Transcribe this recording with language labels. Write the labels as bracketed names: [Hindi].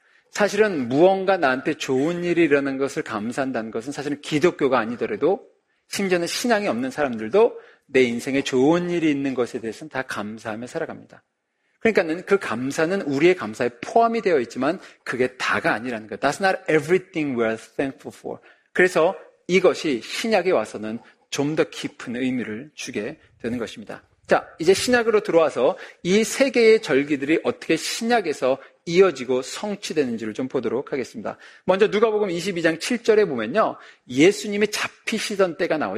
[Korean] 사실은 무언가 나한테 좋은 일이 일어난 것을 감사한다는 것은 사실은 기독교가 아니더라도 심지어는 신앙이 없는 사람들도 내 인생에 좋은 일이 있는 것에 대해서는 다 감사하며 살아갑니다. 그러니까는 그 감사는 우리의 감사에 포함이 되어 있지만 그게 다가 아니라는 거예요. [English] That's not everything we're thankful for. [Korean] 그래서 이것이 신약에 와서는 좀 더 깊은 의미를 주게 되는 것입니다. 자, 이제 신약으로 들어와서 이 세 개의 절기들이 어떻게 신약에서 이어지고 성취되는지를 좀 보도록 하겠습니다. 먼저 누가복음 22장 7절에 보면요. 예수님이 잡히시던 때가 나와요.